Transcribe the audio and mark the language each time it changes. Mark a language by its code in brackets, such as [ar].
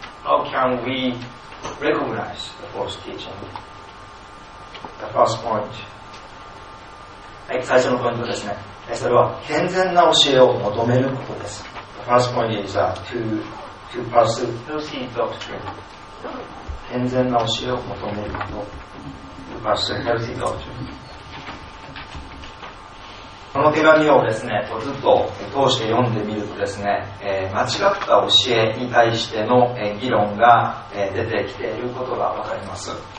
[en] How can we recognize the false teachingThe first point. [ja] はい、最初のポイントですね。それは健全な教えを求めることです。 [en] The first point is to pursue healthy doctrine. [ja] 健全な教えを求めること。 [en] To pursue healthy doctrine. [ja] この手紙をですね、ずっと通して読んでみるとですね、間違った教えに対しての議論が出てきていることがわかります。